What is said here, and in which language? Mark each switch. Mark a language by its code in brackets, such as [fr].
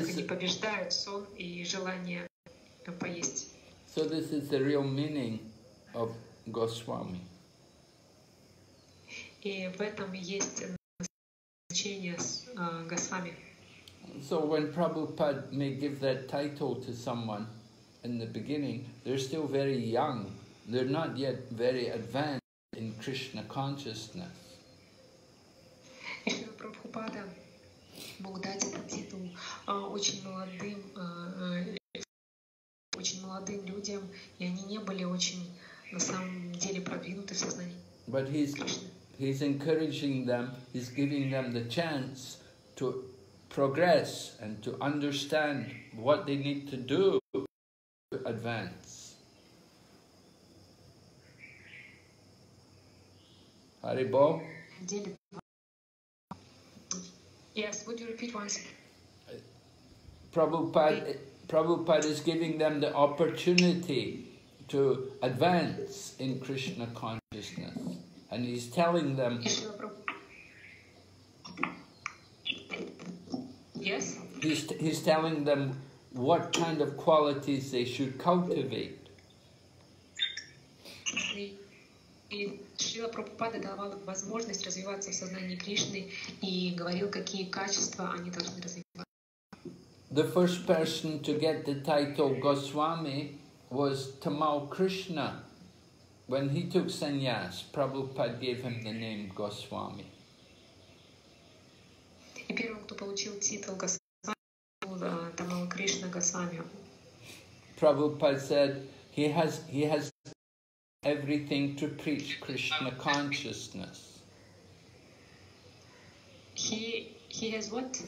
[ru] как они побеждают сон и желание поесть. [en] So this is the real meaning of Госвами. [ru] И в этом есть значение Госвами. [en] So when Prabhupada may give that title to someone in the beginning, they're still very young. They're not yet very advanced in Krishna consciousness. [ru] Если Прабхупада мог дать этот титул очень молодым людям, и они не были очень на самом деле продвинуты в сознании. [en] But he's encouraging them, he's giving them the chance to progress and to understand what they need to do to advance. Hare Bol? Yes, would you repeat once? Prabhupada is giving them the opportunity to advance in Krishna consciousness. And he's telling them. Yes. He's telling them what kind of qualities they should cultivate. [ru] И Шрила Прабхупада давал им возможность развиваться в сознании Кришны и говорил, какие качества они должны развивать. [en] The first person to get the title Goswami was Tamal Krishna. When he took sannyas, Prabhupada gave him the name Goswami. [ru] И первым, кто получил титул Госвами, был Тамал Кришна Госвами. [en] Prabhupada said he has everything to preach Krishna consciousness. He has what?